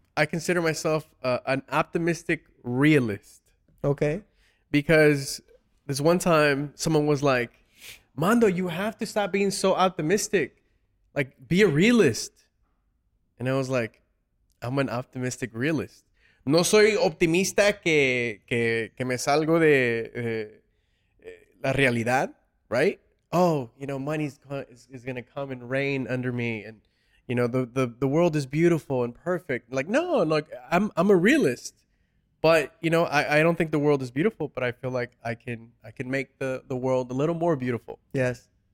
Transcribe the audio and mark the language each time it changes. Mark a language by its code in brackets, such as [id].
[en] I consider myself an optimistic realist. Okay. Because this one time someone was like, Mando, you have to stop being so optimistic. Like, be a realist. And I was like, I'm an optimistic realist. [es] No soy optimista que me salgo de la realidad, [en] right? Oh, you know, money's is going to come and rain under me. And, you know, the world is beautiful and perfect. Like, no, like, I'm a realist. But, you know, I don't think the world is beautiful, but I feel like I can make the world a little more beautiful. Yes.